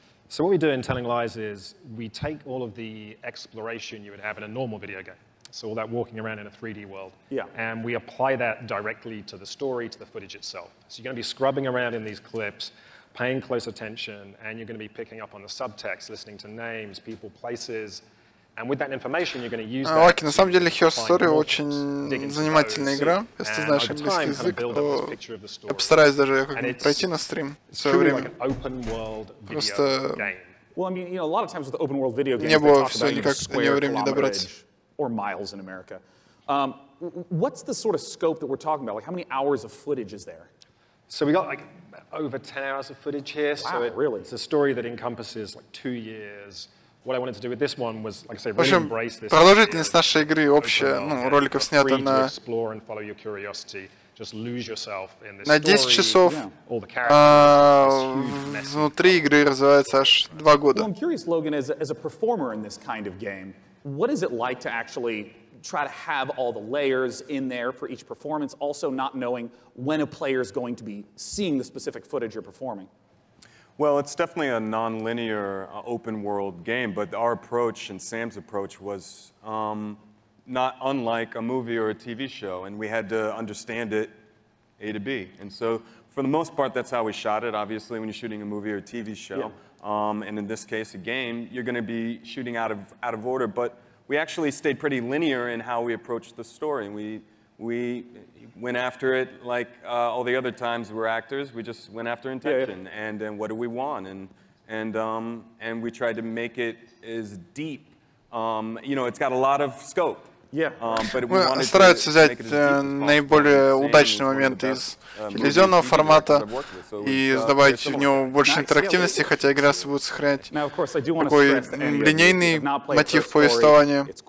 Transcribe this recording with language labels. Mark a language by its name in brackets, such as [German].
[English] So what we do in Telling Lies is we take all of the exploration you would have in a normal video game. So all that walking around in a 3D world. Yeah. And we apply that directly to the story, to the footage itself. So you're going to be scrubbing around in these clips, paying close attention, and you're going to be picking up on the subtext, listening to names, people, places. And with that information, you're going to use that. [Russian] На самом деле, Her Story очень занимательная игра. Если ты знаешь английский язык, то я постараюсь даже пройти на стрим в свое время. Просто не было все никак мне времени добраться. [English] Or miles in America. What's the sort of scope that we're talking about? Like, how many hours of footage is there? So we got like over 10 hours of footage here. Wow, so really? It's a story that encompasses like 2 years. What I wanted to do with this one was, like I say, really embrace this. [Russian] Продолжительность нашей игры общая, ну, роликов снято на. [English] Free to explore and follow your curiosity. Just lose yourself in this [Russian] на 10 часов внутри игры развивается аж 2 года. [English] Well, I'm curious, Logan, as a performer in this kind of game. What is it like to actually try to have all the layers in there for each performance, also not knowing when a player is going to be seeing the specific footage you're performing? Well, it's definitely a non-linear open-world game, but our approach and Sam's approach was not unlike a movie or a TV show, and we had to understand it A to B. And so, for the most part, that's how we shot it, obviously, when you're shooting a movie or a TV show. Yeah. And in this case, a game, you're going to be shooting out of order. But we actually stayed pretty linear in how we approached the story. We went after it like all the other times we're actors. We just went after intention. Yeah, yeah. And what do we want? And we tried to make it as deep. You know, it's got a lot of scope. [Russian] Мы стараются взять наиболее удачные моменты из телевизионного формата и добавить в него больше интерактивности, хотя игра будет сохранять такой линейный мотив повествования.